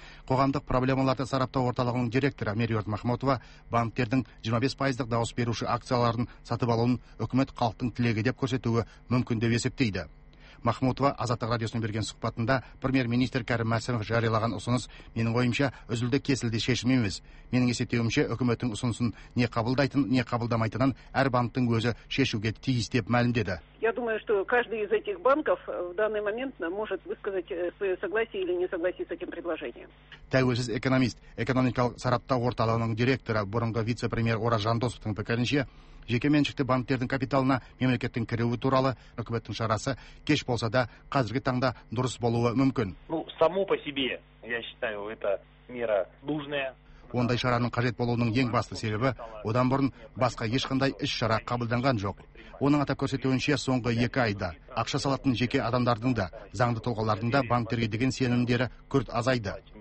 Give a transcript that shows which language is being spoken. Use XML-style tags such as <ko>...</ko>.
<kk>Қоғамдық проблемаларды сараптау орталығының директоры Мериорд Махмотова банктердің 25%-дық дауыс беруші акцияларын сатып алуын үкімет халықтың тілегі деп көрсетуі мүмкін деп есептейді. Махмутова Азаттық радиосына берген сұхбатында премьер-министр Кәрім Мәсімов жариялаған ұсыныс менің ойымша үзілді кесілді шешілмейміз. Менің есептеуімше үкіметтің ұсынысын не қабылдайтын, не қабылдамайтынын әр банктің өзі шешуге тиіс деп мәлімдеді.</kk> <ru>Я думаю, что каждый из этих банков в данный момент может высказать свое согласие или несогласие с этим предложением.</ru> <kk>Тәуелсіз экономист, экономикалық сараптау орталығының директоры, бұрынғы вице-премьер Ораз Жандосовтың пікірінше, жекеменшікті банктердің капиталына мемлекеттің кіруі туралы үкіметтің шарасы кеш болса да, қазіргі таңда дұрыс болуы мүмкін.</kk> <ru>Ну, само по себе, я считаю, это мера нужная.</ru> <kk>Ондай шараның қажет болуының ең басты себебі, одан бұрын басқа ешқандай іс-шара қабылданған жоқ. Оның атап көрсетуінше соңғы 2 айда ақша салатын жеке адамдардың да, заңды тұлғалардың да банктерге деген сенімдері күрт азайды.</kk>